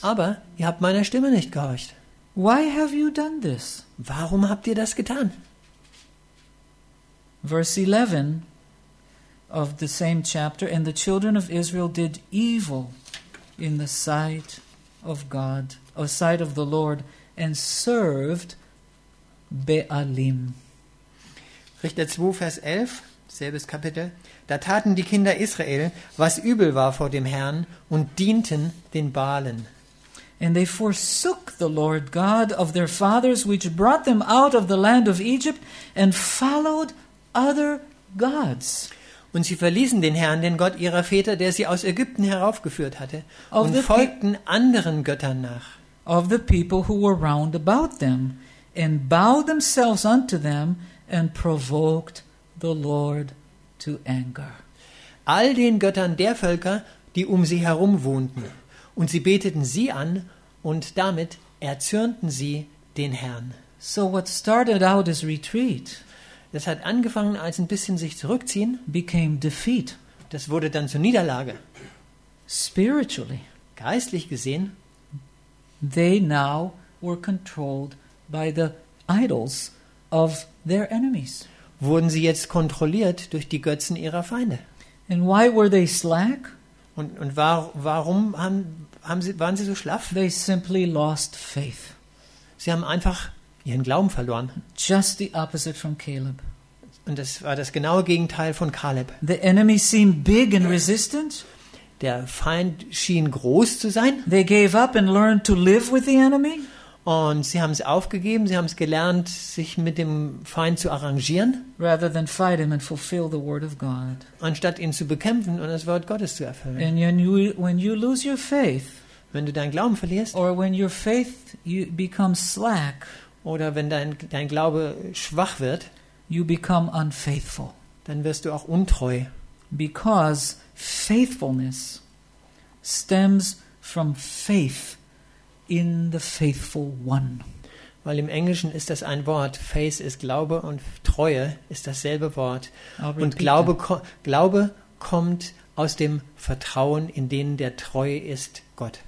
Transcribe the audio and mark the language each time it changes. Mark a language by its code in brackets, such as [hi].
[de] Aber ihr habt meiner Stimme nicht gehorcht. [en] Why have you done this? [de] Warum habt ihr das getan? [en] Verse 11 of the same chapter, and the children of Israel did evil in the sight of God, or sight of the Lord, and served Baalim. [de] Richter 2, Vers 11 Selbes Kapitel. Da taten die Kinder Israel, was übel war vor dem Herrn, und dienten den Baalen. [en] And they forsook the Lord God of their fathers, which brought them out of the land of Egypt, and followed other gods. [de] Und sie verließen den Herrn, den Gott ihrer Väter, der sie aus Ägypten heraufgeführt hatte, und folgten anderen Göttern nach. [en] Of the people who were round about them, and bowed themselves unto them, and provoked the Lord to anger. [de] All den Göttern der Völker, die um sie herum wohnten, und sie beteten sie an, und damit erzürnten sie den Herrn. [en] So what started out as retreat. [de] Das hat angefangen als ein bisschen sich zurückziehen. [en] Became defeat. [de] Das wurde dann zur Niederlage. [en] Spiritually. [de] Geistlich gesehen. [en] They now were controlled by the idols of their enemies. [de] Wurden sie jetzt kontrolliert durch die Götzen ihrer Feinde. [en] And why were they slack? [de] Und warum waren sie so schlaff? [en] They simply lost faith. [de] Sie haben einfach ihren Glauben verloren. [en] Just the opposite from Caleb. [de] Und das war das genaue Gegenteil von Caleb. [en] The enemy seemed big and resistant. [de] Der Feind schien groß zu sein. [en] They gave up and learned to live with the enemy. [de] Und sie haben es aufgegeben, sie haben es gelernt, sich mit dem Feind zu arrangieren. [en] Rather than fight him and fulfill the word of God. [de] Anstatt ihn zu bekämpfen und das Wort Gottes zu erfüllen. [en] And when you lose your faith, [de] wenn du deinen Glauben verlierst, [en] or when your faith you becomes slack, [de] oder wenn dein Glaube schwach wird, [en] you become unfaithful. [de] Dann wirst du auch untreu. [en] Because faithfulness stems from faith in the faithful one. [de] Weil im Englischen ist das ein Wort. Faith ist Glaube und Treue ist dasselbe Wort. Und Glaube kommt aus dem Vertrauen in den, der treu ist, Gott.